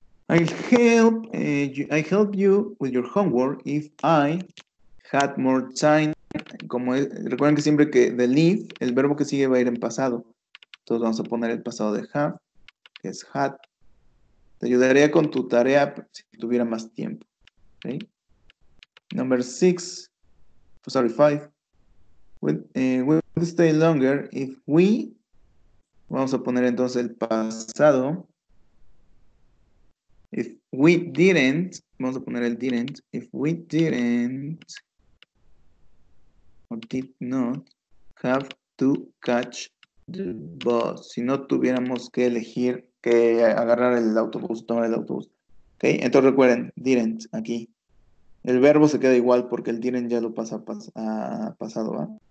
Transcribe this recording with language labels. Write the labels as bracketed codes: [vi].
[en] I help you with your homework if I had more time. [es] Como es, recuerden que siempre que the leave, el verbo que sigue va a ir en pasado. Entonces vamos a poner el pasado de have, que es had. Te ayudaría con tu tarea si tuviera más tiempo. [en] Okay. Number six, sorry, five. We would stay longer if we, [es] vamos a poner entonces el pasado. [en] If we didn't, [es] vamos a poner el didn't. [en] If we didn't or did not have to catch the bus. [es] Si no tuviéramos que elegir que agarrar el autobús, tomar el autobús. [en] Ok, [es] entonces recuerden, didn't aquí. El verbo se queda igual porque el didn't ya lo pasa a pasado, ¿va?